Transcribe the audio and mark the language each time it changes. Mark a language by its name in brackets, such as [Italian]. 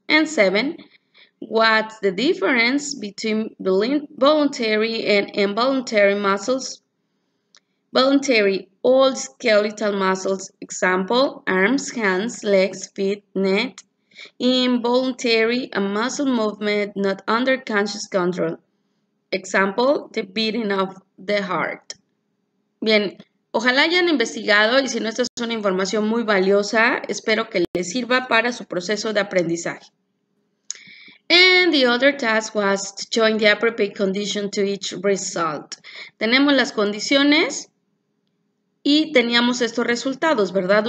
[English] And seven, what's the difference between voluntary and involuntary muscles? Voluntary, all skeletal muscles, example, arms, hands, legs, feet, neck. Involuntary, a muscle movement not under conscious control. Example, the beating of the heart. Bien. [Spanish] Ojalá hayan investigado y si no, esta es una información muy valiosa. Espero que les sirva para su proceso de aprendizaje. [English] And the other task was to join the appropriate condition to each result. [Spanish] Tenemos las condiciones y teníamos estos resultados, ¿verdad?